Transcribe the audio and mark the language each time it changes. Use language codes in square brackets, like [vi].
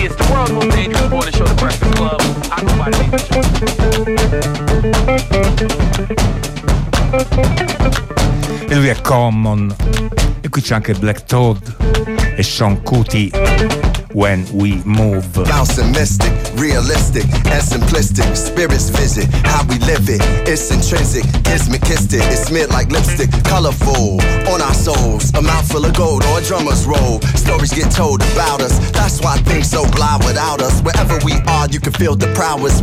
[en] world will think I'm going to show the Breakfast Club. I go by the name of Justin. [it] E lui è Common. E qui c'è anche Black Todd e Sean Cootie. [en] When we move. Bouncing mystic, realistic, and simplistic. Spirits visit, how we live it. It's intrinsic, kismet-kissed it. It's smeared like lipstick, colorful on our souls. A mouthful of gold or a drummer's roll. Stories get told about us. That's why things so blind without us. Wherever we are, you can feel the prowess.